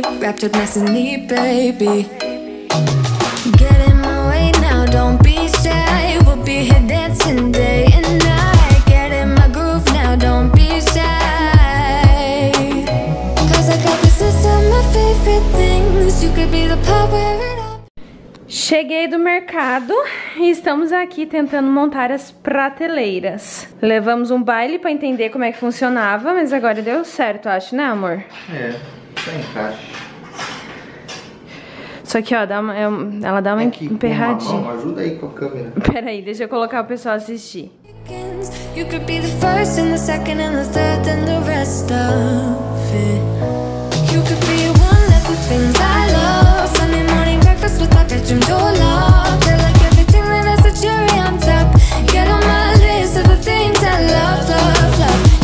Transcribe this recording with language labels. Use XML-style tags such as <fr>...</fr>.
<en>Wrapped up nice and neat, baby. Get in my way now, don't be shy. We'll be here dancing day and night. Get in my groove now, don't be shy. Cause I got the system, my favorite things. You could be the power.</en> <pt>Cheguei do mercado e estamos aqui tentando montar as prateleiras. Levamos um baile pra entender como é que funcionava, mas agora deu certo, acho, né, amor? É, sem encaixe. Só que, ó, ela dá uma emperradinha. Uma, ajuda aí com a câmera. Peraí, deixa eu colocar o pessoal assistir.</pt> <en>You could be the first and the second and the third and the rest of it. You could be one of the things I love. Sunday morning breakfast with our bedroom door locked. Feel like everything that is a cherry on top. Get on my list of the things I love, love, love.</en>